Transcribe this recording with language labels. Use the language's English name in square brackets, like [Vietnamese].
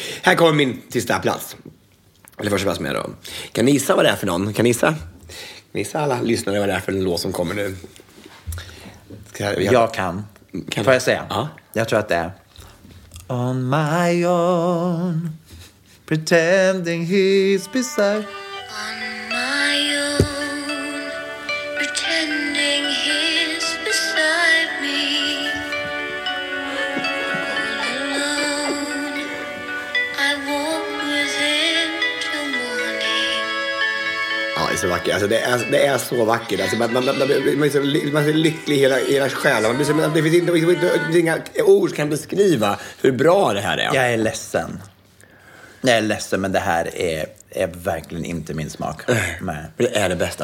[Swedish] Här kommer min sista plats. Eller första plats med då. Kan ni gissa vad det är för någon? Kan ni gissa alla lyssnare vad det är för en låt som kommer nu? Jag kan. Kan får jag säga? Ja. Jag tror att det är [English] On my own, pretending he's beside. On my own, pretending he's beside me. All alone, I walk with him till morning. [Swedish] Ja, det är så vackert. Alltså, det är så vackert. Alltså, man är så lycklig i hela själen. Det finns inga ord som kan beskriva hur bra det här är. Jag är ledsen. Jag är ledsen, men det här är verkligen inte min smak. Nej. Det är det bästa.